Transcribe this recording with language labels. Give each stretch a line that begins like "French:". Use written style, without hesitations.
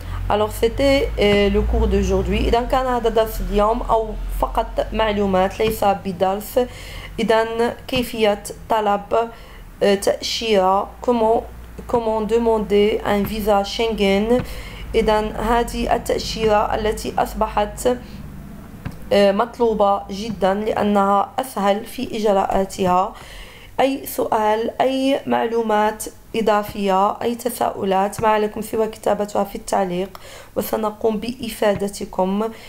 French: Alors c'était le cours d'aujourd'hui.
Arabic: إذا كان هذا درس اليوم أو فقط معلومات ليس بدرس. إذا كيفية طلب تأشيرة
French: comment demander un visa Schengen.
Arabic: Et dans هذه التأشيرة التي أصبحت مطلوبة جدا لأنها أسهل في إجراءاتها. أي سؤال أي معلومات إضافية أي تساؤلات ما عليكم سوى كتابتها في التعليق وسنقوم بإفادتكم.